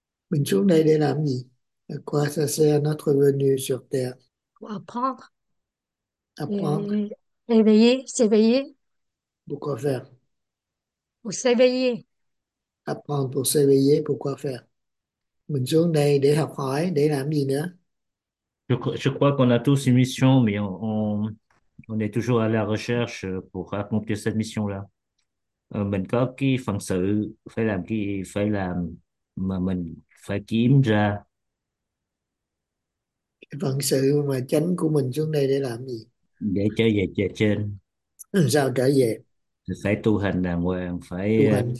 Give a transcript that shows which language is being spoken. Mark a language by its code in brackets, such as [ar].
[vi] Mình xuống đây để làm gì? [fr] À quoi ça sert notre venue sur Terre? Pour apprendre Apprendre. et éveiller, s'éveiller, Pourquoi faire? ou s'éveiller. Apprendre pour s'éveiller, pourquoi faire? [vi] Mình xuống đây để học hỏi, để làm gì nữa? [fr] Je crois qu'on a tous une mission, mais on est toujours à la recherche pour accomplir cette mission-là. [vi] Mình có cái phận sự phải làm cái phải làm mà mình phải kiếm ra. Phận sự mà chánh của mình xuống đây để làm gì? Để trở về trên Làm sao trở về? phải tu hành đàng hoàng, phải